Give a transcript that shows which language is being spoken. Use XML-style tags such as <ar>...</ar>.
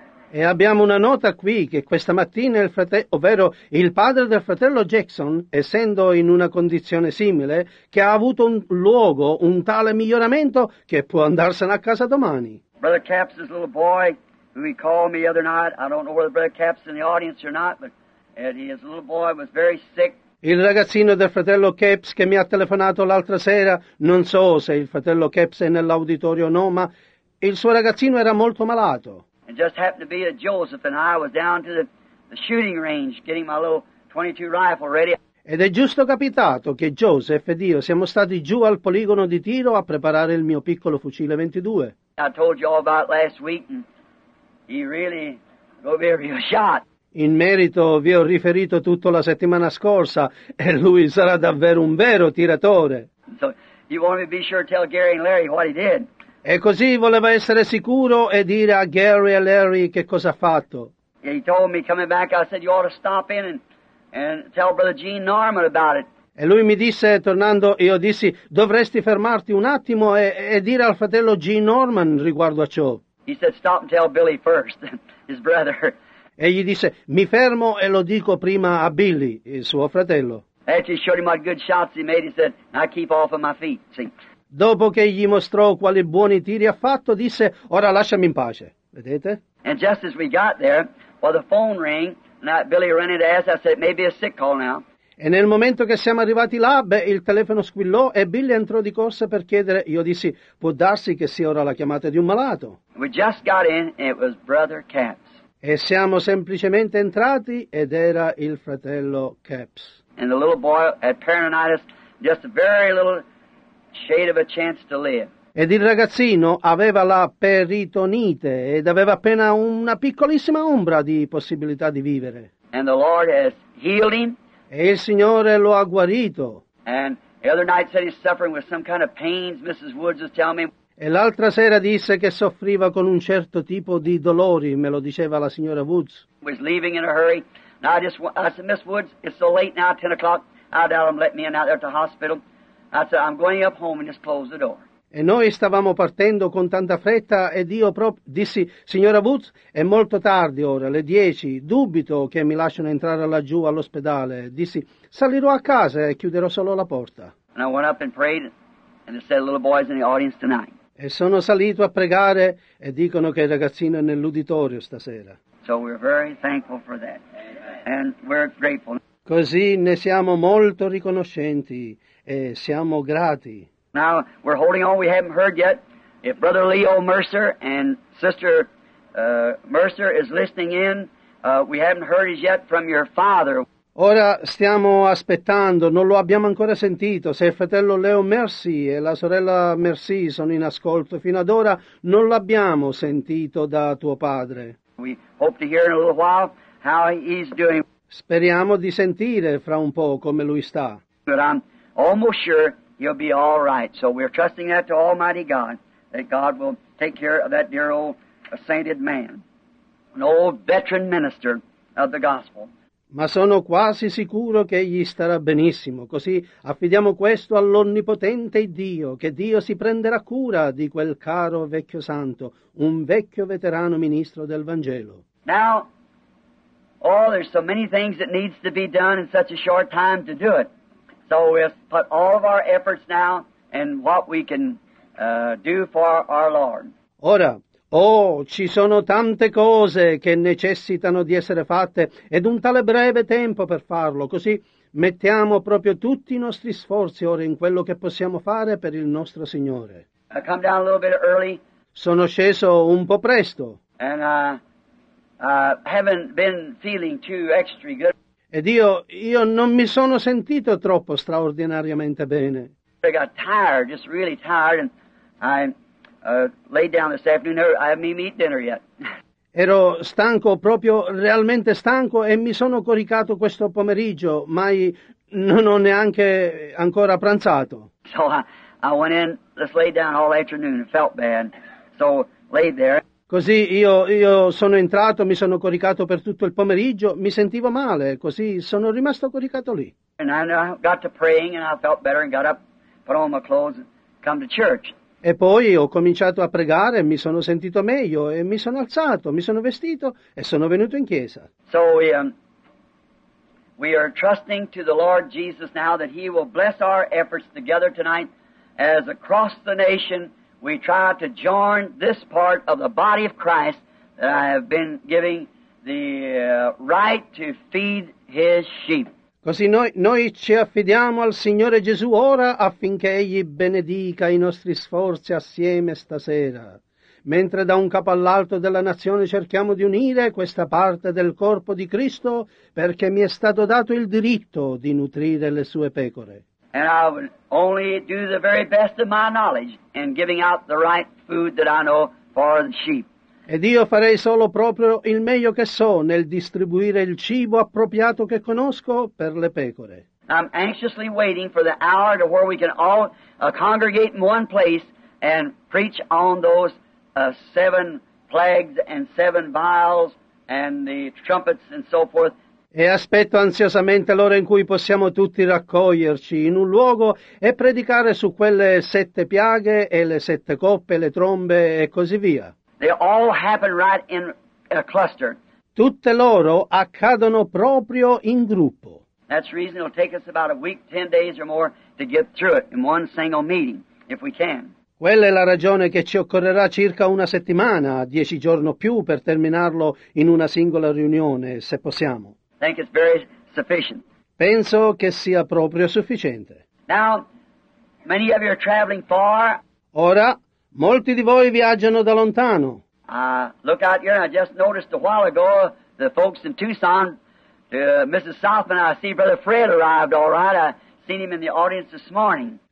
<it>E abbiamo una nota qui che questa mattina il padre del fratello Jackson, essendo in una condizione simile, che ha avuto un tale miglioramento che può andarsene a casa domani.</it> <en>Brother Capps' little boy, who he called me the other night, I don't know whether Brother Capps is in the audience or not, but his little boy was very sick.</en> <it>Il ragazzino del fratello Capps che mi ha telefonato l'altra sera, non so se il fratello Capps è nell'auditorio o no, ma il suo ragazzino era molto malato.</it> <en>It just happened to be that Joseph and I was down to the shooting range getting my little 22 rifle ready.</en> <it>Ed è giusto capitato che Joseph ed io siamo stati giù al poligono di tiro a preparare il mio piccolo fucile 22.</it> <en>I told you all about last week and he really will be a real shot.</en> <it>In merito vi ho riferito tutto la settimana scorsa e lui sarà davvero un vero tiratore.</it> <en>So you want me to be sure to tell Gary and Larry what he did.</en> <it>E così voleva essere sicuro e dire a Gary e Larry che cosa ha fatto.</it> <en>He told me coming back, I said you ought to stop in and tell Brother Gene Norman about it.</en> <it>E lui mi disse, tornando, io dissi, dovresti fermarti un attimo e dire al fratello Gene Norman riguardo a ciò.</it> <en>He said stop and tell Billy first, his brother.</en> <it>E gli disse, mi fermo e lo dico prima a Billy, il suo fratello.</it> <en>Actually showed him what good shots he made, he said, I keep off of my feet, see.</en> <it>Dopo che gli mostrò quali buoni tiri ha fatto, disse, ora lasciami in pace. Vedete?</it> <en>And just as we got there, the phone rang, and Billy ran in to ask, I said, maybe a sick call now.</en> <it>E nel momento che siamo arrivati là, il telefono squillò e Billy entrò di corsa per chiedere, io dissi, può darsi che sia ora la chiamata di un malato.</it> <en>We just got in, and it was Brother Capps.</en> <it>E siamo semplicemente entrati ed era il fratello Capps.</it> <en>And the little boy had peritonitis, just a very little shade of a chance to live.</en> <it>Ed il ragazzino aveva la peritonite ed aveva appena una piccolissima ombra di possibilità di vivere.</it> <en>And the Lord has healed him.</en> <it>E il Signore lo ha guarito.</it> <en>And the other night said he's suffering with some kind of pains, Mrs. Woods was telling me.</en> <it>E l'altra sera disse che soffriva con un certo tipo di dolori, me lo diceva la signora Woods.</it> <en>Was leaving in a hurry. And I said, Miss Woods, it's so late now, 10 o'clock. I doubt him letting me in out there at the hospital. I said, I'm going up home and just close the door.</en> <it>E noi stavamo partendo con tanta fretta ed io dissi, signora Woods, è molto tardi ora, le 10, dubito che mi lasciano entrare laggiù all'ospedale. Dissi, salirò a casa e chiuderò solo la porta.</it> <en>And I went up and prayed. And they said little boy's in the audience tonight.</en> <it>E sono salito a pregare e dicono che il ragazzino è nell'uditorio stasera.</it> <en>So we're very thankful for that. And we're grateful.</en> <it>Così ne siamo molto riconoscenti e siamo grati.</it> <en>Now we're holding on, we haven't heard yet. If Brother Leo Mercer and Sister Mercer is listening in, we haven't heard as yet from your father.</en> <it>Ora stiamo aspettando, non lo abbiamo ancora sentito. Se il fratello Leo Mercy e la sorella Mercy sono in ascolto fino ad ora, non l'abbiamo sentito da tuo padre.</it> <en>We hope to hear in a little while how he's doing.</en> <it>Speriamo di sentire fra un po' come lui sta.</it> <en>But I'm almost sure he'll be all right. So we're trusting that to Almighty God, that God will take care of that dear old sainted man, an old veteran minister of the gospel.</en> <it>Ma sono quasi sicuro che egli starà benissimo, così affidiamo questo all'Onnipotente Dio, che Dio si prenderà cura di quel caro vecchio santo, un vecchio veterano ministro del Vangelo.</it> <en>Now, there's so many things that needs to be done in such a short time to do it. So we'll put all of our efforts now in what we can do for our Lord.</en> <it>Ora, ci sono tante cose che necessitano di essere fatte ed un tale breve tempo per farlo, così mettiamo proprio tutti i nostri sforzi ora in quello che possiamo fare per il nostro Signore.</it> <en>I come down a little bit early.</en> <it>Sono sceso un po' presto</it> <en>and, haven't been feeling too extra good.</en> <it>Ed io non mi sono sentito troppo straordinariamente bene.</it> <en>I got tired, just really tired, and I laid down this afternoon. I haven't eaten dinner yet.</en> <it>Ero stanco, proprio realmente stanco, e mi sono coricato questo pomeriggio, ma non ho neanche ancora pranzato.</it> <en>So I went in, just laid down all afternoon and felt bad. So laid there.</en> <it>Così io sono entrato, mi sono coricato per tutto il pomeriggio, mi sentivo male, così sono rimasto coricato lì.</it> <en>And I got to praying and I felt better and got up, put on my clothes and come to church.</en> <it>E poi ho cominciato a pregare, mi sono sentito meglio e mi sono alzato, mi sono vestito e sono venuto in chiesa.</it> <en>So we are trusting to the Lord Jesus now that he will bless our efforts together tonight as across the nation we try to join this part of the body of Christ that I have been giving the right to feed his sheep.</en> <it>Così noi ci affidiamo al Signore Gesù ora affinché Egli benedica i nostri sforzi assieme stasera, mentre da un capo all'altro della nazione cerchiamo di unire questa parte del corpo di Cristo perché mi è stato dato il diritto di nutrire le sue pecore.</it> <en>And I would only do the very best of my knowledge in giving out the right food that I know for the sheep.</en> <it>Ed io farei solo proprio il meglio che so nel distribuire il cibo appropriato che conosco per le pecore.</it> <en>I'm anxiously waiting for the hour to where we can all congregate in one place and preach on those seven plagues and seven vials and the trumpets and so forth.</en> <it>E aspetto ansiosamente l'ora in cui possiamo tutti raccoglierci in un luogo e predicare su quelle sette piaghe e le sette coppe, le trombe e così via.</it> <en>They all happen right in a cluster.</en> <it>Tutte loro accadono proprio in gruppo.</it> <en>That's the reason it'll take us about a week, 10 days or more to get through it in one single meeting, if we can.</en> <it>Quella è la ragione che ci occorrerà circa una settimana, 10 giorni più, per terminarlo in una singola riunione, se possiamo.</it> <en>I think it's very sufficient.</en> <it>Penso che sia proprio sufficiente.</it> <en>Now, many of you are traveling far.</en> <it>Ora, molti di voi viaggiano da lontano.</it> <en>Look out here, I just noticed a while ago the folks in Tucson, Mrs. Southman, I see Brother Fred arrived, all right. I seen him in the audience this morning.</en>